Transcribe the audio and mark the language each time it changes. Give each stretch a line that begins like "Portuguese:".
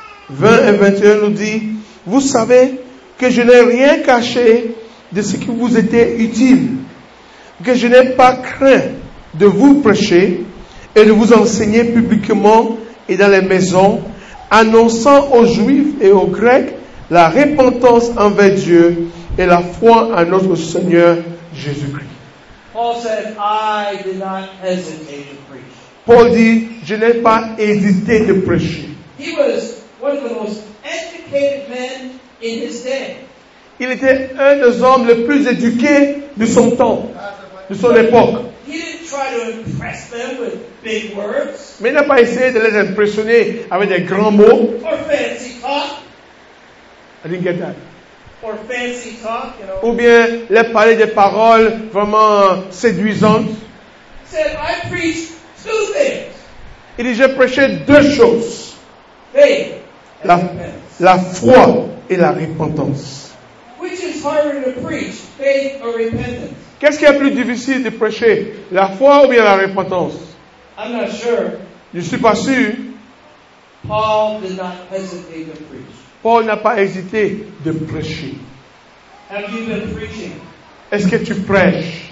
French: 20 et 21 nous dit, vous savez que je n'ai rien caché de ce qui vous était utile, que je n'ai pas craint de vous prêcher et de vous enseigner publiquement et dans les maisons, annonçant aux Juifs et aux Grecs la repentance envers Dieu et la foi en notre Seigneur Jésus-Christ.
English: Paul said, I did not hesitate to preach.
French: Paul dit, je n'ai pas hésité de prêcher.
English: He was one of the most educated men in his day.
French: Il était un des hommes les plus éduqués de son temps, de son époque.
English: He didn't try to impress them with big words.
French: Mais il n'a pas essayé de les impressionner avec des grands mots.
English: Or fancy talk. I didn't get that. Or fancy talk, you know.
French: Ou bien les parler des paroles vraiment séduisantes.
English: Said, I preach two things.
French: Il dit, j'ai prêché deux choses.
English: Faith.
French: La foi et la repentance.
English: Which is harder to preach, faith or repentance?
French: Qu'est-ce qui est plus difficile de prêcher, la foi ou bien la repentance?
English: I'm not sure.
French: Je ne suis pas sûr.
English: Paul did not hesitate to preach.
French: Paul n'a pas hésité de prêcher.
English: Have you been preaching?
French: Est-ce que tu prêches?